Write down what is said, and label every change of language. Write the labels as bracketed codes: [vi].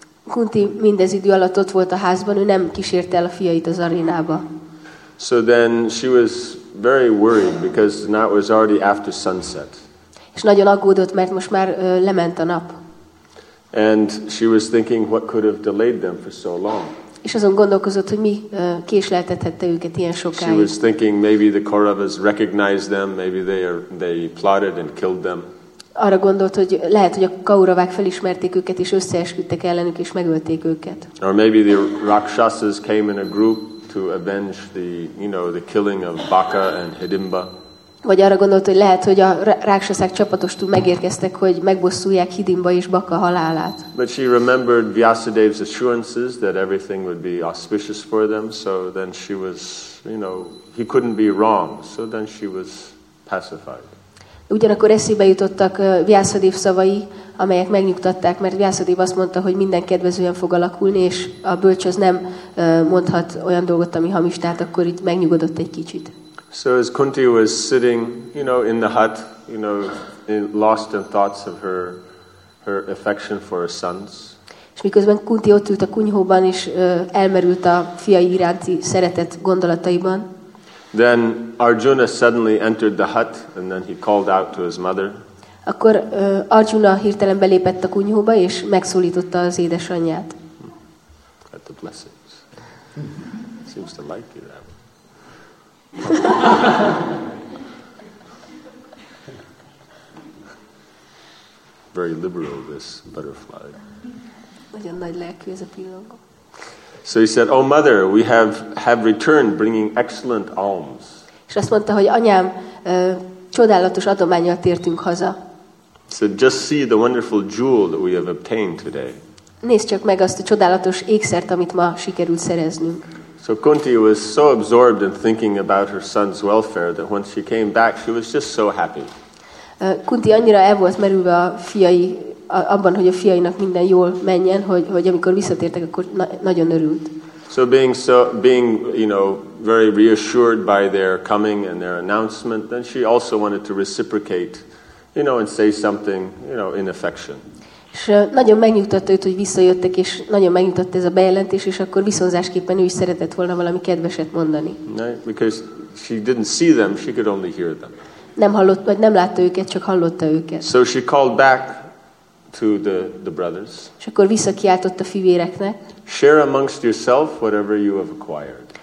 [hu] Kunti mindez idő alatt ott volt a házban, ő nem kísérte el a fiait az arénába. [en] So then she was very worried because now it was already after sunset. [hu] És nagyon aggódott, mert most már lement a nap. [en] And she was thinking what could have delayed them for so long. [hu] És azon gondolkozott, hogy mi késleltethette őket ilyen sokáig. [en] She was thinking maybe the Kauravas recognized them, maybe they plotted and killed them. [hu] Arra gondolt, hogy lehet, hogy a Kauravák felismerték őket és összeesküdtek ellenük és megölték őket. [en] Or maybe the Rakshasas came in a group to avenge the, you know, the killing of Baka and Hidimba. [hu] Vagy arra gondolt, hogy lehet, hogy a Rákshaszák csapatostul megérkeztek, hogy megbosszulják Hidimba és Baka halálát. [en] But she remembered Vyasadeva's assurances that everything would be auspicious for them, so then she was, you know, he couldn't be wrong, so then she was pacified. [hu] Ugyanakkor eszébe jutottak Vyasadeva szavai, amelyek megnyugtatták, mert Vyasadeva azt mondta, hogy minden kedvezően fog alakulni, és a bölcs az nem mondhat olyan dolgot, ami hamis, tehát akkor így megnyugodott egy kicsit. [en] So as Kunti was sitting, you know, in the hut, you know, lost in thoughts of her affection for her sons. [hu] És miközben Kunti ott ült a kunyhóban és elmerült a fiai iránti szeretet gondolataiban. [en] Then Arjuna suddenly entered the hut and then he called out to his mother. [hu] Akkor Arjuna hirtelen belépett a kunyhóba és megszólította az édesanyját. [en] At the blessings. Seems to like it. Very liberal, this butterfly. [hu] Nagyon nagy lelkű ez a pillangó. [en] So he said, "Oh mother, we have returned bringing excellent alms." [hu] És azt mondta, hogy anyám, csodálatos adománnyal tértünk haza. [en] So just see the wonderful jewel that we have obtained today. [hu] Nézd csak meg azt a csodálatos ékszert, amit ma sikerült szereznünk. [en] So Kunti was so absorbed in thinking about her son's welfare that when she came back, she was just so happy. [hu] Kunti annyira el volt merülve a fiai, abban, hogy a fiainak minden jól menjen, hogy amikor visszatértek, akkor nagyon örült. [en] So being you know, very reassured by their coming and their announcement, then she also wanted to reciprocate You know, and say something, you know, in affection. [hu] És nagyon megnyugtatta őt, hogy visszajöttek, és nagyon megnyugtatta ez a bejelentés, és akkor viszonzásképpen ő is szeretett volna valami kedveset mondani. [en] Because she didn't see them, she could only hear them. [hu] Nem hallott, vagy nem látta őket, csak hallotta őket. [en] So she called back to the brothers. [hu] És akkor visszakiáltott a fivéreknek. [en] Share amongst yourself whatever you have acquired.